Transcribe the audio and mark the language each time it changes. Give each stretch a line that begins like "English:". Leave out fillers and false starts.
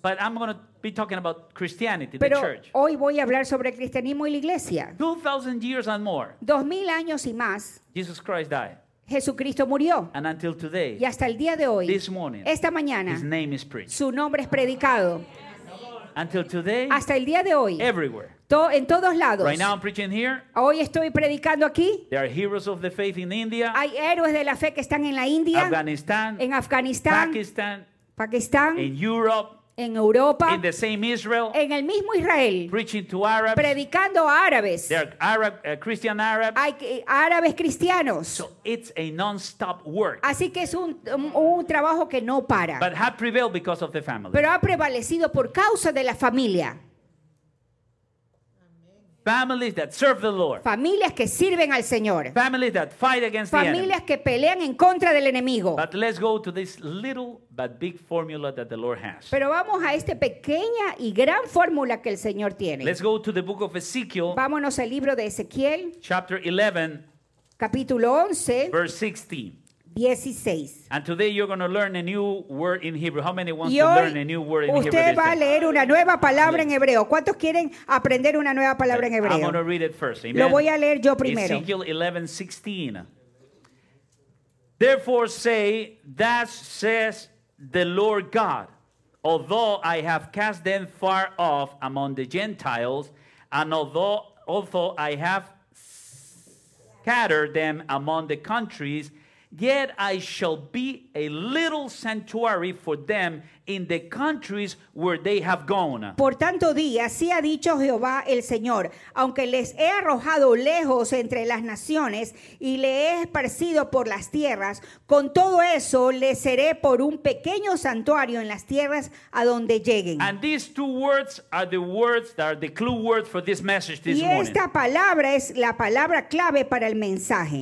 English: But I'm going to be talking about Christianity,
Spanish: pero
English: the church.
Spanish: Hoy voy a hablar sobre el cristianismo y la iglesia.
English: 2,000 years and more.
Spanish: 2,000 años y más.
English: Jesus Christ died.
Spanish: Jesucristo murió.
English: And until today,
Spanish: y hasta el día de hoy,
English: this morning,
Spanish: esta mañana,
English: his name is preached.
Spanish: Su nombre es predicado.
English: Until today,
Spanish: hasta el día de hoy,
English: everywhere.
Spanish: En todos lados.
English: Right now I'm preaching here.
Spanish: Hoy estoy predicando aquí.
English: There are heroes of the faith in India.
Spanish: Hay héroes de la fe que están en la India. Afganistán. En Afganistán. Pakistán. En Europa. En Europa.
English: In the same Israel.
Spanish: En el mismo Israel.
English: Preaching to Arabs.
Spanish: Predicando a árabes.
English: There are Christian Arabs.
Spanish: Hay árabes cristianos.
English: So it's a non-stop work.
Spanish: Así que es un trabajo que no para.
English: But have prevailed because of the family.
Spanish: Pero ha prevalecido por causa de la familia.
English: Families that serve the Lord.
Spanish: Familias que sirven al Señor.
English: Families that fight against
Spanish: Familias
English: the enemy.
Spanish: Familias que pelean en contra del enemigo.
English: But let's go to this little but big formula that the Lord has.
Spanish: Pero vamos a esta pequeña y gran fórmula que el Señor tiene.
English: Let's go to the book of Ezekiel.
Spanish: Vámonos al libro de Ezequiel.
English: Chapter 11.
Spanish: Capítulo 11.
English: Verse 16. 16. And today you're going to learn a new word in Hebrew. How many want to learn a new word in Hebrew?
Spanish: Usted va a leer una nueva palabra en hebreo. ¿Cuántos quieren aprender una nueva palabra en hebreo?
English: I'm going to read it first. Amen.
Spanish: Lo voy a leer yo primero.
English: Ezekiel 11:16. Therefore say, thus says the Lord God, although I have cast them far off among the Gentiles, and although I have scattered them among the countries, yet I shall be a little sanctuary for them in the countries where they have gone.
Spanish: Por tanto di, así ha dicho Jehová el Señor, aunque les he arrojado lejos entre las naciones y les he esparcido por las tierras, con todo eso les seré por un pequeño santuario en las tierras a donde lleguen.
English: And these two words are the words that are the clue words for this message this morning.
Spanish: Y esta palabra es la palabra clave para el mensaje.